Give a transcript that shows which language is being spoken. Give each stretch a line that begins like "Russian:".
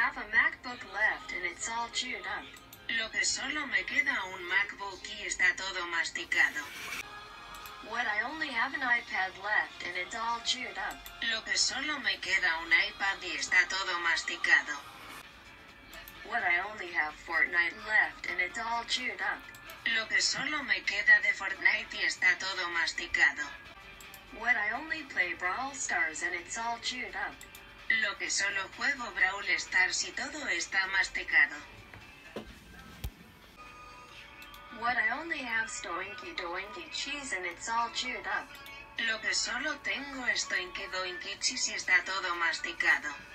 Spanish: Lo que solo me queda un MacBook y está todo masticado.
English: What, I only have an iPad left and it's all chewed up.
Spanish: Lo que solo me queda un iPad y está todo masticado.
English: What, I only have four Fortnite left and it's all chewed up.
Spanish: Lo que solo me queda de Fortnite y está todo masticado.
English: What I only play Brawl Stars and it's all chewed up.
Spanish: Lo que solo juego Brawl Stars y todo está masticado.
English: What I only have Stoinky Doinky Cheese and it's all chewed up.
Spanish: Lo que solo tengo es Stoinky Doinky Cheese y está todo masticado.